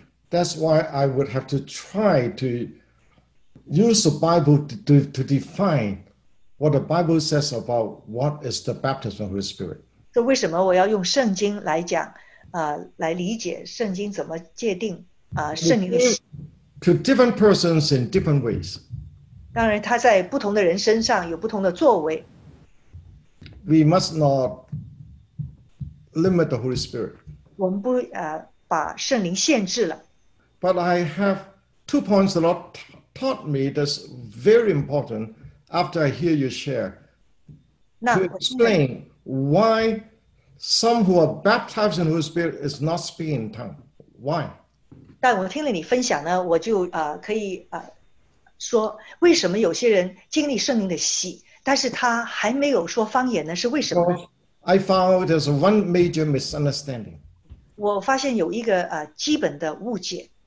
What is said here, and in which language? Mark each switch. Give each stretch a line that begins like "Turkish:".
English: That's why I would have to try to use the Bible to define what the Bible says about what is the baptism of the Holy Spirit.
Chinese: 所以为什么我要用圣经来讲，来理解圣经怎么界定圣灵的洗？
English: To different persons in different ways.
Chinese: 当然他在不同的人身上有不同的作为。
English: We must not limit the Holy Spirit.
Chinese: 我们不把圣灵限制了。
English: But I have two points the Lord taught me that's very important after I hear you share. To explain why some who are baptized in the Holy Spirit is not speaking in tongues. Why?
Chinese: 但我听了你分享呢，我就可以说，为什么有些人经历圣灵的洗，但是他还没有说方言呢？是为什么呢？
English: I found there's one major misunderstanding.
Chinese: 我发现有一个基本的误解。